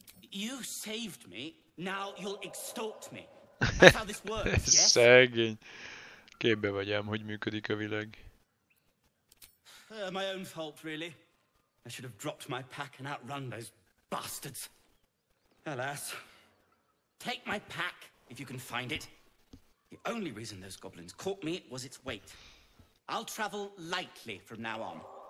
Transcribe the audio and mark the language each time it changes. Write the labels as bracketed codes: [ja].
[en] You saved me, now you'll extort me. That's how this works, yes? [hu] Szegény. Képbe vagy ám, hogy működik a világ. [en] My own fault, really. I should have dropped my pack and outrun those bastards. Alas. Take my pack, if you can find it. The only reason those goblins caught me was its weight. I'll travel lightly from now on.